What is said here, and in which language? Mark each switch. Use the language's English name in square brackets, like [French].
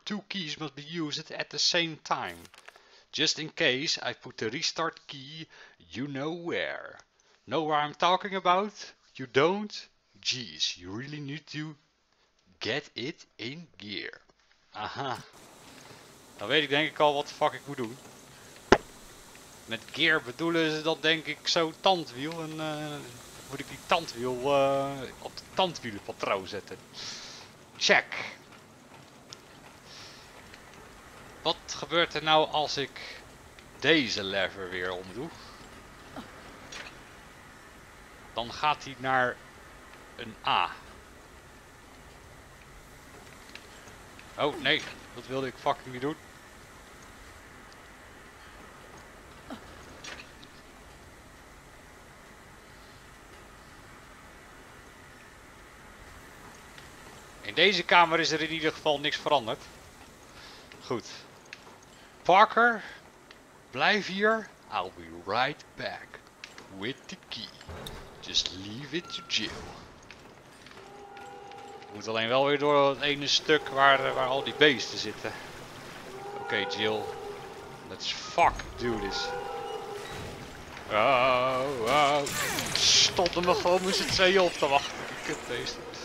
[English] Two keys must be used at the same time. Just in case, I put the restart key you know where. Know where I'm talking about? You don't? Jeez, you really need to get it in gear. Aha. [Dutch] Dan weet ik denk ik al wat de fuck ik moet doen. Met gear bedoelen ze dat denk ik zo tandwiel. En moet ik die tandwiel op de tandwielenpatroon zetten. Check. Wat gebeurt er nou als ik deze lever weer omdoe? Dan gaat hij naar een A. Oh nee, dat wilde ik fucking niet doen. In deze kamer is er in ieder geval niks veranderd. Goed. Parker, blijf hier. [English] I'll be right back with the key. Just leave it to Jill. [Dutch] Ik moet alleen wel weer door het ene stuk waar al die beesten zitten. Oké, Jill. [English] Let's fuck do this. Oh, wow. [Dutch] Stop er me gewoon met z'n tweeën op te wachten. Die kutbeesten.